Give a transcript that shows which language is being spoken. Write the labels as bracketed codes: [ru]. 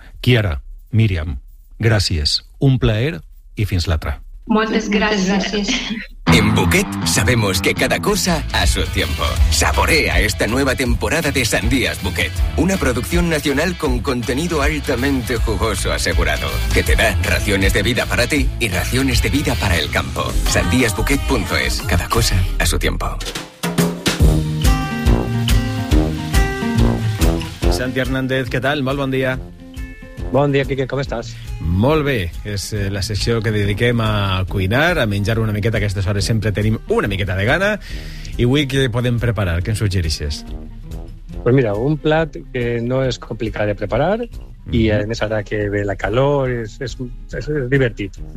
[ca] Kiara, Míriam, gràcies, un plaer i fins l'altra. Moltes gràcies. Moltes gràcies. [es] En Bouquet sabemos que cada cosa a su tiempo. Saborea esta nueva temporada de Sandías Bouquet, una producción nacional con contenido altamente jugoso asegurado, que te da raciones de vida para ti y raciones de vida para el campo. Sandíasbouquet.es. Cada cosa a su tiempo. Santi Hernández, ¿qué tal? Muy buen día. [ca] Bon dia, Quique, com estàs? Molt bé, és la secció que dediquem a cuinar, a menjar una miqueta. Aquestes hores sempre tenim una miqueta de gana. I avui què podem preparar? Què ens suggerixes? [es] Pues mira, [ca] un plat que no és complicat de preparar, mm-hmm, i a més ara que ve la calor, és divertit.